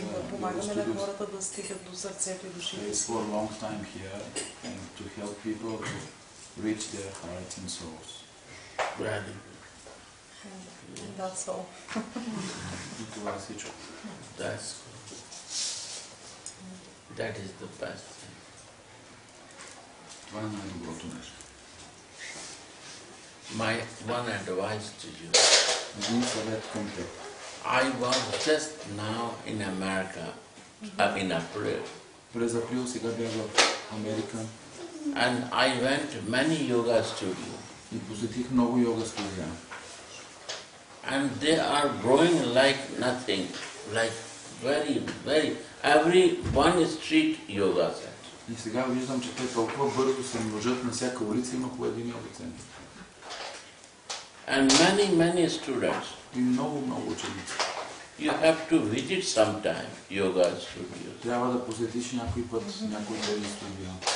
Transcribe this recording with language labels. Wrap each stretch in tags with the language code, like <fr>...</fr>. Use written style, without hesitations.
<bg>Помагаме на хората да стигат до сърцето и душите.</bg> <en>It's for a long time here and to help people to reach their hearts and souls. Ready. And that's all.</en> <bg>И това е всичко.</bg> <en>That's good. That is the best thing.</en> <bg>Това е най-доброто нещо.</bg> <en>My one advice to you.</en> <bg>Един съвет към теб.</bg> <en>I was just now in America, in April.</en> <bg>През април сега бях в Америка.</bg> <en>And I went to many yoga studios.</en> <bg>И посетих много йога студия.</bg> <en>And they are growing like nothing, like very, very. Every one street yoga center.</en> <bg>И сега виждам, че те толкова бързо се множат, на всяка улица има по един йога център.</bg> <en>And many, many students.</en> <bg>И много, много ученици.</bg> <en>You have to visit sometime yoga studios.</en> <bg>Трябва да посетиш някой път някой йога студио.</bg>